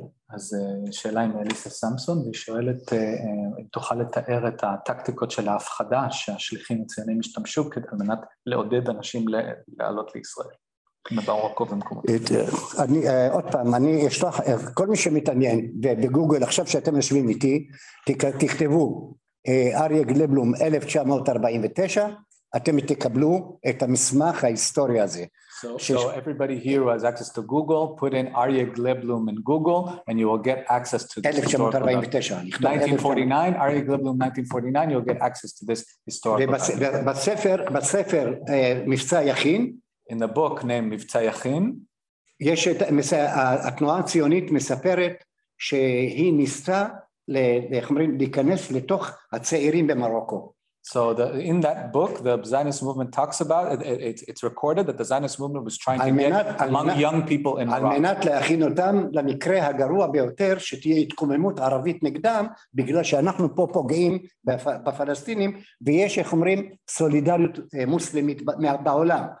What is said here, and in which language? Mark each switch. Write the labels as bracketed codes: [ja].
[he] אז שאלה עם אליסה סמסון, והיא שואלת אם תוכל לתאר את הטקטיקות של ההפחדה שהשליחים הציונים השתמשו כדי על מנת לעודד אנשים לעלות לישראל, מבורקו ומקומות. אני, עוד פעם, אני אשלח, כל מי שמתעניין בגוגל, עכשיו שאתם יושבים איתי, תכתבו אריה גלבלום 1949, אתם תקבלו את המסמך ההיסטורי הזה. [en] So everybody here who has access to Google, put in Arya Gleblum in Google, and you will get access to this historical document. 1949, Arya Gleblum 1949, you'll get access to this historical [he] document. בספר מבצע יכין. [en] In the book named מבצע יכין. [he] יש את, התנועה הציונית מספרת שהיא ניסתה להיכנס לתוך הצעירים במרוקו. [en] So in that book, the Zionist movement talks about, it's recorded that the Zionist movement was trying to get among young people in Morocco. [he] על מנת להכין אותם למקרה הגרוע ביותר שתהיה התקוממות ערבית נגדם, בגלל שאנחנו פה פוגעים בפלסטינים, ויש, איך אומרים, סולידריות מוסלמית בעולם.